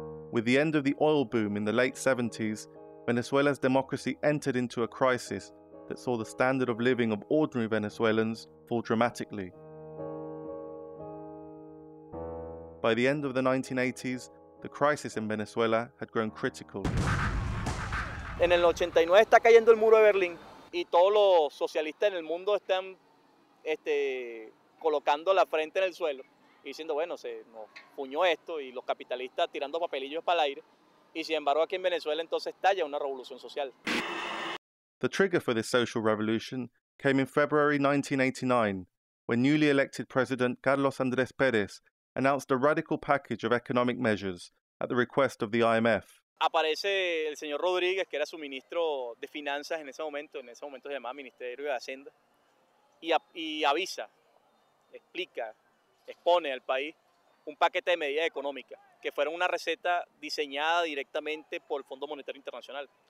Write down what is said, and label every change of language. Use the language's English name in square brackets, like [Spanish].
[English] With the end of the oil boom in the late 70s, Venezuela's democracy entered into a crisis that saw the standard of living of ordinary Venezuelans fall dramatically. By the end of the 1980s, the crisis in Venezuela had grown critical. [Spanish] En el 89 está cayendo el muro de Berlín y todos los socialistas en el mundo están colocando la frente en el suelo y diciendo, bueno, se nos puñó esto y los capitalistas tirando papelillos para el aire. Y sin embargo, aquí en Venezuela entonces estalla una revolución social. [English] The trigger for this social revolution came in February 1989, when newly elected President Carlos Andrés Pérez announced a radical package of economic measures at the request of the IMF. [Spanish] Aparece el señor Rodríguez, que era su ministro de finanzas en ese momento se llamaba Ministerio de Hacienda, y avisa, explica, expone al país un paquete de medidas económicas, que fueron una receta diseñada directamente por el Fondo Monetario Internacional.